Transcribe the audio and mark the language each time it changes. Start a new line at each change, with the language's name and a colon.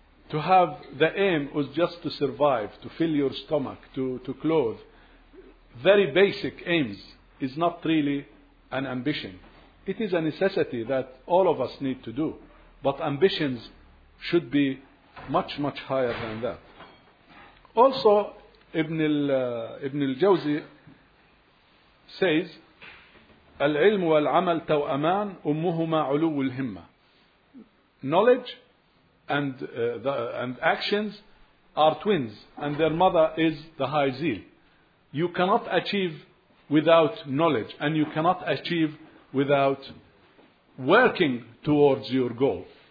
English: To have the aim was just to survive, to fill your stomach, to clothe. Very basic aims is not really an ambition. It is a necessity that all of us need to do. But ambitions should be much, much higher than that. Also,
Arabic: Ibn al-Jawzi
English: says,
Arabic: العلم والعمل توأمان أمهما علو الهمة.
English: Knowledge and actions are twins, and their mother is the high zeal. You cannot achieve without knowledge, and you cannot achieve without working towards your goal.